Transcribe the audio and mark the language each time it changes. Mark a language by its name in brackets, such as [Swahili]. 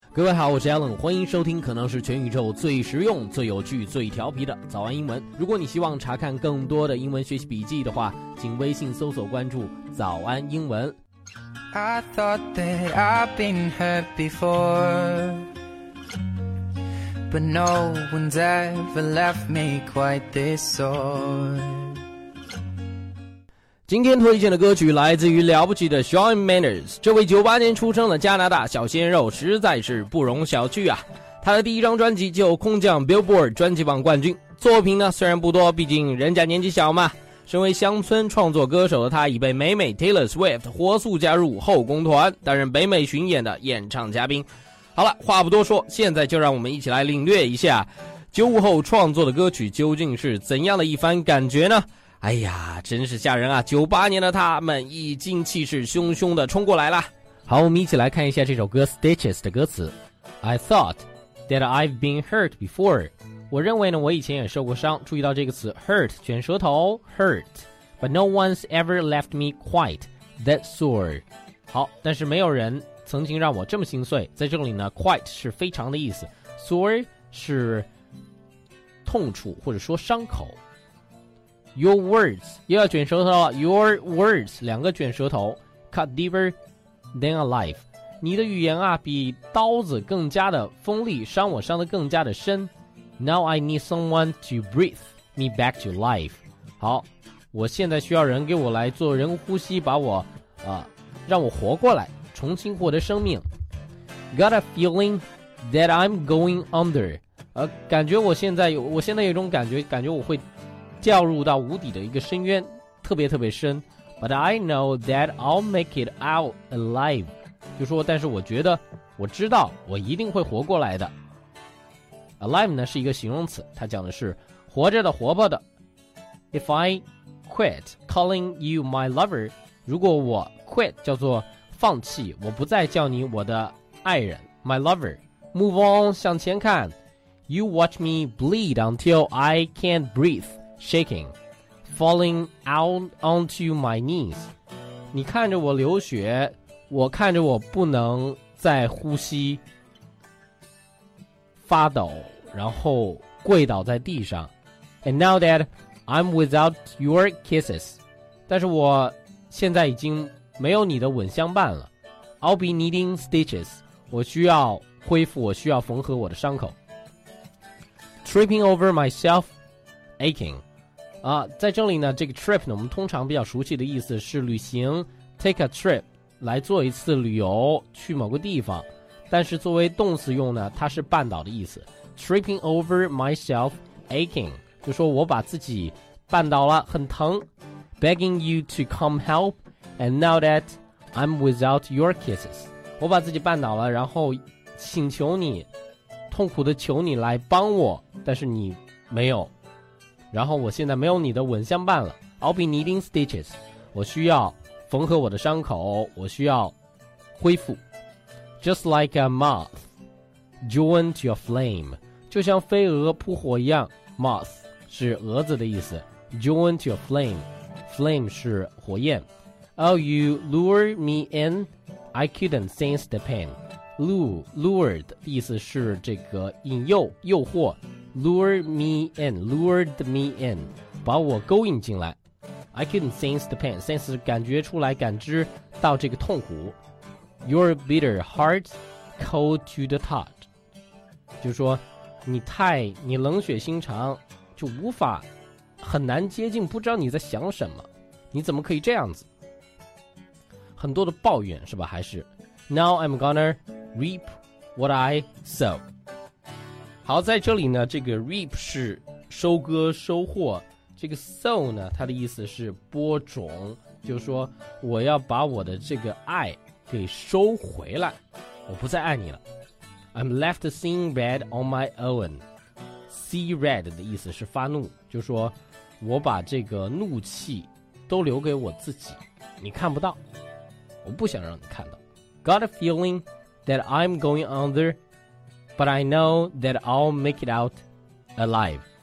[Chinese] 各位好，我是 Alan， 欢迎收听可能是全宇宙最实用、最有趣、最调皮的早安英文。如果你希望查看更多的英文学习笔记的话，请微信搜索关注早安英文。 [English] I thought that I've been hurt before, but no one's ever left me quite this sore。 [Chinese] 今天推荐的歌曲来自于了不起的 Shawn Mendes， 这位98年出生的加拿大小鲜肉实在是不容小觑啊。他的第一张专辑就空降 Billboard 专辑榜冠军，作品呢虽然不多，毕竟人家年纪小嘛。身为乡村创作歌手的他已被美美 Taylor Swift 火速加入后宫团，担任北美巡演的演唱嘉宾。好了，话不多说，现在就让我们一起来领略一下95后创作的歌曲究竟是怎样的一番感觉呢？哎呀，真是吓人啊，98年的他们已经气势汹汹地冲过来了。好，我们一起来看一下这首歌 Stitches 的歌词。 [English] I thought that I've been hurt before， [Chinese] 我认为呢我以前也受过伤。注意到这个词 [English] hurt， [Chinese] 卷舌头 [English] hurt， but no one's ever left me quite that sore。 [Chinese] 好，但是没有人曾经让我这么心碎。在这里呢 quite 是非常的意思， sore 是痛处或者说伤口。 [English] Your words， [Chinese] 又要卷舌头了。 [English] Your words， [Chinese] 两个卷舌头 [English] ，cut deeper than a knife。 [Chinese] 你的语言啊，比刀子更加的锋利，伤我伤得更加的深。 [English] Now I need someone to breathe me back to life。 [Chinese] 好，我现在需要人给我来做人工呼吸，把我让我活过来，重新获得生命。 [English] Got a feeling that I'm going under。 [Chinese] 感觉我现在有种感觉，感觉我会掉入到无底的一个深渊，特别特别深。 [English] But I know that I'll make it out alive， [Chinese] 就说但是我觉得我知道我一定会活过来的。 Alive 呢是一个形容词，它讲的是活着的、活泼的。 [English] If I quit calling you my lover， [Chinese] 如果我 quit 叫做放弃，我不再叫你我的爱人 my lover， [English] move on [Chinese] 向前看。 [English] You watch me bleed until I can't breatheshaking falling out onto my knees， [Chinese] 你看着我流血，我看着我不能再呼吸，发抖，然后跪倒在地上。 [English] And now that I'm without your kisses， [Chinese] 但是我现在已经没有你的吻相伴了。 [English] I'll be needing stitches， [Chinese] 我需要恢复，我需要缝合我的伤口。 [English] Tripping over myself aching [Chinese] 在这里呢，这个 trip 呢，我们通常比较熟悉的意思是旅行， take a trip 来做一次旅游，去某个地方。但是作为动词用呢，它是绊倒的意思。 [English] Tripping over myself aching， [Chinese] 就说我把自己绊倒了，很疼。 [English] Begging you to come help and now that I'm without your kisses， [Chinese] 我把自己绊倒了，然后请求你，痛苦的求你来帮我，但是你没有，然后我现在没有你的吻相伴了。 [English] I'll be needing stitches， [Chinese] 我需要缝合我的伤口，我需要恢复。 [English] Just like a moth joined to a flame， [Chinese] 就像飞蛾扑火一样。 Moth 是蛾子的意思， [English] joined to a flame， [Chinese] flame 是火焰。 [English] Oh you lure me in， I couldn't sense the pain。 [Chinese] Lured 意思是这个引诱、诱惑。 [English] Lured me in， [Chinese] 把我勾引进来。 [English] I couldn't sense the pain， [Chinese] sense 感觉出来，感知到这个痛苦。 [English] Your bitter heart cold to the touch， [Chinese] 就是说你冷血心肠，就无法，很难接近，不知道你在想什么，你怎么可以这样子，很多的抱怨是吧。 [English] 还是 Now I'm gonna reap what I sow。 [Chinese] 好，在这里呢，这个 reap 是收割、收获，这个 sow 呢，它的意思是播种，就是说我要把我的这个爱给收回来，我不再爱你了。 [English] I'm left seeing red on my own， [Chinese] see red 的意思是发怒，就是说我把这个怒气都留给我自己，你看不到，我不想让你看到。 [English] Got a feeling that I'm going underBut I know that I'll make it out alive。